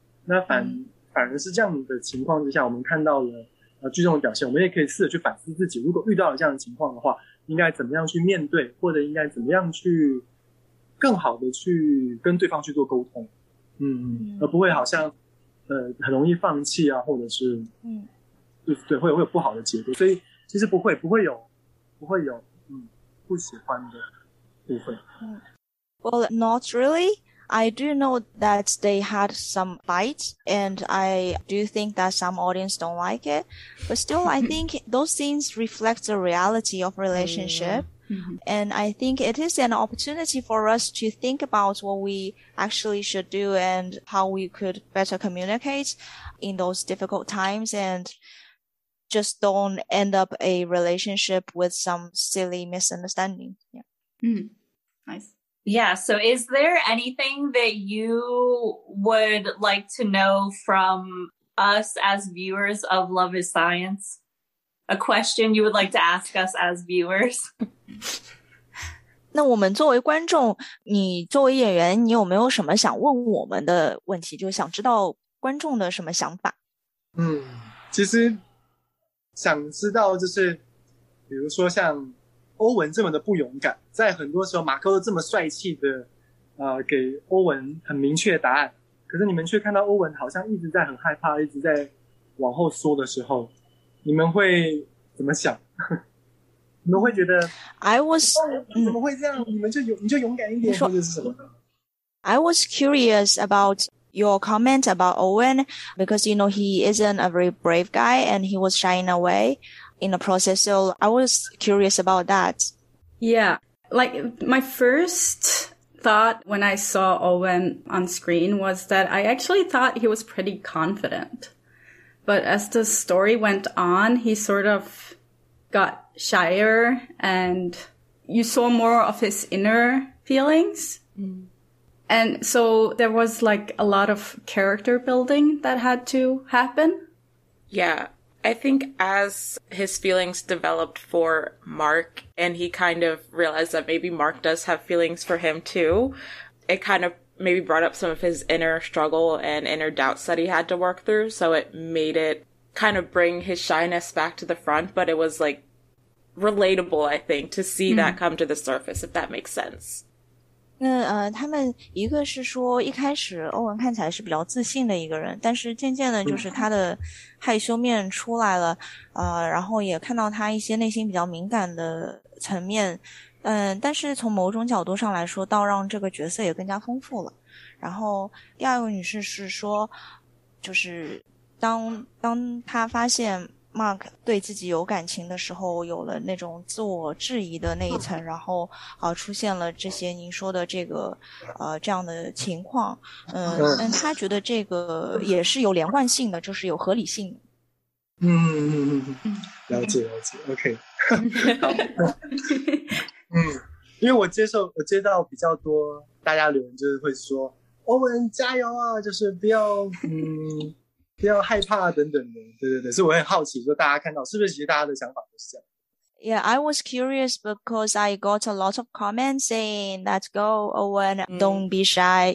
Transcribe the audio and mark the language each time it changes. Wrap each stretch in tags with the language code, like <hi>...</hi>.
<zh>那反而是这样的情况之下，我们看到了剧中的表现，我们也可以试着去反思自己，如果遇到了这样的情况的话，应该怎么样去面对，或者应该怎么样去更好的去跟对方去做沟通，而不会好像很容易放弃啊，或者是对，会有不好的结果。所以其实不会有不喜欢的部分。</zh> <en>Well, not really. I do know that they had some fights, and I do think that some audience don't like it. But still, I think those scenes reflect the reality of relationship. And I think it is an opportunity for us to think about what we actually should do and how we could better communicate in those difficult times, and just don't end up a relationship with some silly misunderstanding. Yeah. Nice. Yeah, so is there anything that you would like to know from us as viewers of Love is Science? A question you would like to ask us as viewers?</en> <zh>那我们作为观众，你作为演员，你有没有什么想问我们的问题，就想知道观众的什么想法？嗯，其实想知道就是比如说像欧文这么的不勇敢，在很多时候马克都这么帅气的给欧文很明确的答案，可是你们却看到欧文好像一直在很害怕，一直在往后缩的时候，你们会怎么想？你们会觉得</zh> <en>I was、</en> <zh>怎么会这样、你就勇敢一点或者是什么？</zh> <en>I was curious aboutyour comment about Owen, because, you know, he isn't a very brave guy and he was shying away in the process. So I was curious about that. Yeah, like my first thought when I saw Owen on screen was that I actually thought he was pretty confident. But as the story went on, he sort of got shyer and you saw more of his inner feelings. Mm-hmm. And so there was like a lot of character building that had to happen. Yeah, I think as his feelings developed for Mark and he kind of realized that maybe Mark does have feelings for him too, it kind of maybe brought up some of his inner struggle and inner doubts that he had to work through. So it made it kind of bring his shyness back to the front. But it was like relatable, I think, to see that come to the surface, if that makes sense.</en> <zh>那他们一个是说一开始欧文看起来是比较自信的一个人，但是渐渐的就是他的害羞面出来了，然后也看到他一些内心比较敏感的层面，但是从某种角度上来说倒让这个角色也更加丰富了。然后第二个女士是说，就是当他发现Mark 对自己有感情的时候有了那种自我质疑的那一层，然后出现了这些您说的这个这样的情况，但他觉得这个也是有连贯性的，就是有合理性。了解 OK 因为我接到比较多大家留言，就是会说欧文加油啊，就是不要不要害怕等等的，对对对，所以我很好奇说大家看到是不是其实大家的想法都是这样。</zh> <en>Yeah, I was curious because I got a lot of comments saying let's go Owen, don't be shy.</en>